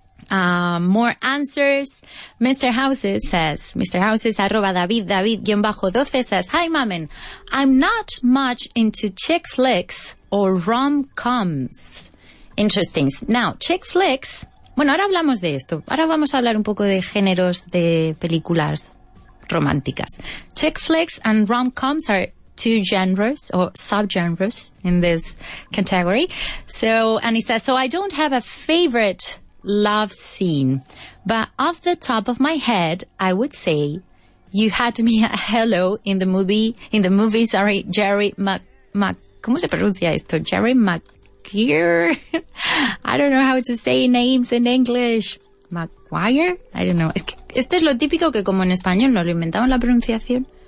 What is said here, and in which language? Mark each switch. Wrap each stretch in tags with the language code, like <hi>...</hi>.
<en>More answers. Mr. Houses, @David-12 says, hi, Mamen. I'm not much into chick flicks or rom-coms. Interesting. Now, chick flicks.</en> <es>Bueno, ahora hablamos de esto. Ahora vamos a hablar un poco de géneros de películas románticas.</es> <en>Chick flicks and rom-coms are two genres or subgenres in this category. So, and he says, so I don't have a favorite love scene, but off the top of my head, I would say you had me at hello in the movie. Sorry, Jerry Maguire. I don't know how to say names in English. Maguire. I don't know.</en> <es>Este es lo típico que como en español nos lo inventamos la pronunciación.</es>